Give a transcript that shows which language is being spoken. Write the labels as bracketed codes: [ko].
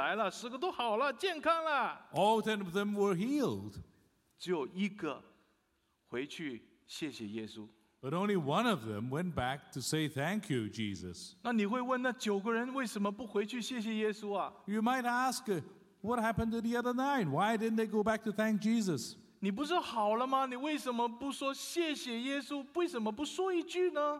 [zh] 十个都好了，能站起来了。十个都好了，健康了。 [en] All 10 of them were healed. [zh] 只有一个回去谢谢耶稣。 [en] But only one of them went back to say thank you, Jesus. [zh] 那你会问那九个人为什么不回去谢谢耶稣啊？ [en] You might ask, what happened to the other 9? Why didn't they go back to thank Jesus? [zh] 你不是好了吗？你为什么不说谢谢耶稣？为什么不说一句呢？